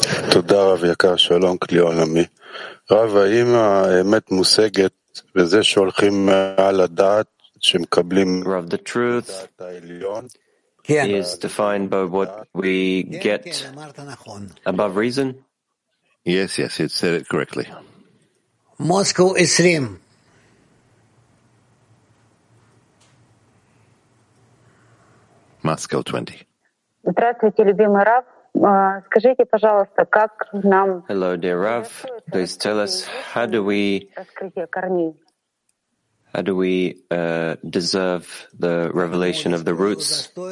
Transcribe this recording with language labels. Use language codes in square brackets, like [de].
[he] תודה רב יקר, שלום כלי עולמי. רב, האם האמת מושגת בזה שהולכים על הדעת שמקבלים... [en] Rav, the truth is defined by what we get above reason? Yes, yes, it said it correctly. Moscow 20. Moscow 20. [ru] Здравствуйте, любимый Рав. Скажите, пожалуйста, как нам... [en] Hello, dear Rav. Please tell us, how do we deserve the revelation of the roots?